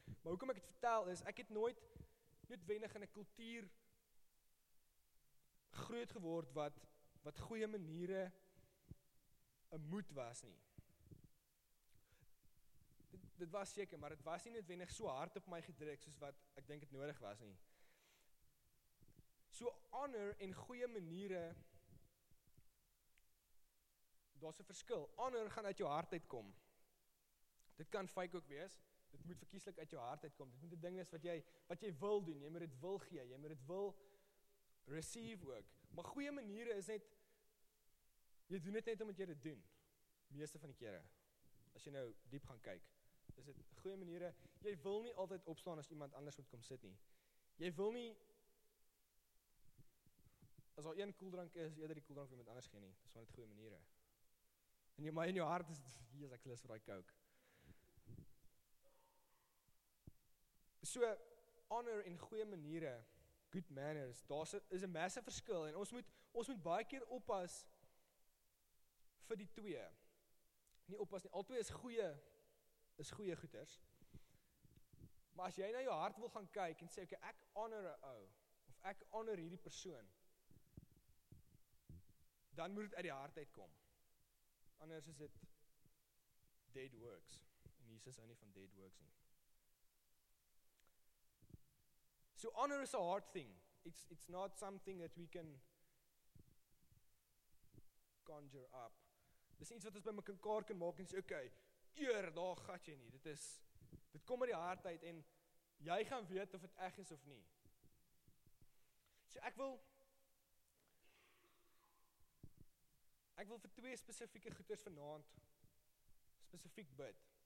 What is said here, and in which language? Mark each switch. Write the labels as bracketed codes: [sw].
[af] Maar hoekom ek dit vertel is, ek het nooit noodwendig in 'n kultuur groot geword wat goeie maniere 'n moed was nie. Dit was seker, maar dit was nie noodwendig so hard op my gedruk soos wat ek dink dit nodig was nie. So honor en goeie maniere, daar's 'n verskil. Honor gaan uit jou hart uitkom. Dit kan fake ook wees. Dit moet verkieslik uit jou hart uitkom. Dit moet 'n ding wees wat jy wil doen. Jy moet dit wil gee. Jy moet dit wil receive ook. Maar goeie maniere is net, jy doen dit net omdat jy dit doen. Meeste van die kere, as jy nou diep gaan kyk, is dit goeie maniere, jy wil nie altyd opstaan as iemand anders moet kom sit nie. Jy wil nie, as al een koeldrank is, jy die koeldrank vir iemand anders gee nie. Dis van dit goeie maniere. En jy maar in jou hart is, jy ek lis vir die kook. So, honor en goeie maniere, [en] good manners, [af] daar is 'n massive verskil, en ons moet baie keer oppas vir die twee. Nie oppas nie, al twee is goeie goeders. Maar as jy na jou hart wil gaan kyk en sê, okay, ek honor 'n ou, of ek honor hierdie persoon, dan moet het uit die hart uitkom. Anders is dit [en] dead works. [af] En Jesus is nie van dead works nie. [en] So honor is a hard thing. It's not something that we can conjure up. [af] Dis iets wat ons by mekaar kan maak en sê, okay, eer, daar gat jy nie. Dit kom uit die hart uit en jy gaan weet of het eg is of nie. So ek wil vir twee spesifieke goeders vanaand spesifiek bid.